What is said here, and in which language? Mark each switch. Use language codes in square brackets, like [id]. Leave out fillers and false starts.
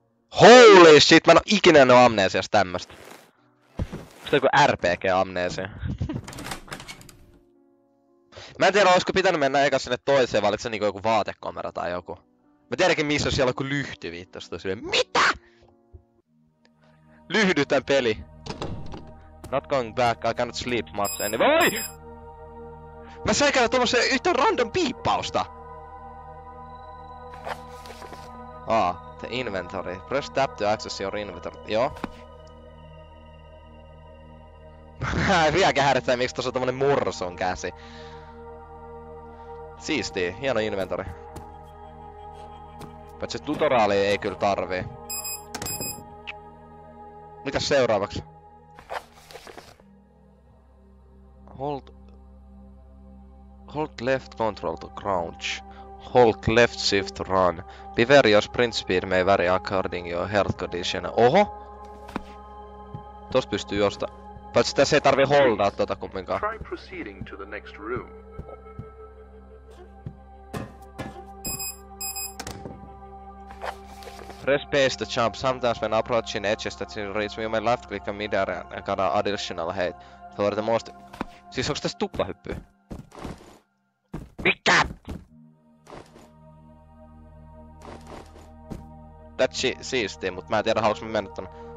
[en] Holy shit, [fi] mä en oo ikinä nähnyt amnesiasta tämmöstä. Onko joku RPG-amnesia? Mä en tiedä, olisiko pitänyt mennä eka sinne toiseen, vai se niinku joku vaatekomera tai joku. Mä tiedänkin, missä siellä on joku lyhty viittosta. Mitä?! Lyhdy tän peli. [en] Not going back, I cannot sleep much anymore. [fi] Voi! Mä säikänä tommoseen yhtä random piippausta! [en] Ah, the inventory. Press tap to access your inventory. [fi] Joo. Vieläkään häiritsee, miksi tossa on tommonen mursun käsi. Siistii, hieno inventori. Paitsi tutoraalia ei kyllä tarvii. Mitäs seuraavaksi? [en] Hold left control to crouch. Hold left shift to run. Beware your sprint speed may vary according your health condition. [fi] Oho! Tos pystyy josta. Paitsi tässä ei tarvii holdaa tota kumminkaan. [en] Try proceeding to the next room. Press space to jump. Sometimes when approaching edges that you reach, you may left click on midair and get an additional height. For the most... [fi] Siis onks tässä tuplahyppy? Mikä? [en] That's [fi] siistii, mut mä en tiedä haluaks mä mennä tonne.